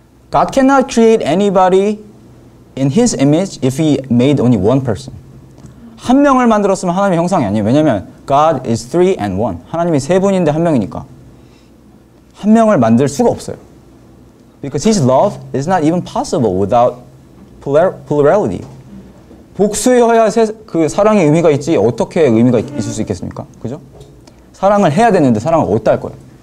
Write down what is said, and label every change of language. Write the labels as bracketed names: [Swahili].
[English] God cannot create anybody in his image if he made only one person. [Korean] 한 명을 만들었으면 하나님의 형상이 아니에요. 왜냐하면 [English] God is three and one. [Korean] 하나님이 세 분인데 한 명이니까. 한 명을 만들 수가 없어요. [English] Because his love is not even possible without plurality. [Korean] 복수여야 그 사랑의 의미가 있지 어떻게 의미가 있을 수 있겠습니까? 그죠? 사랑을 해야 되는데 사랑을 어디다 할 거예요?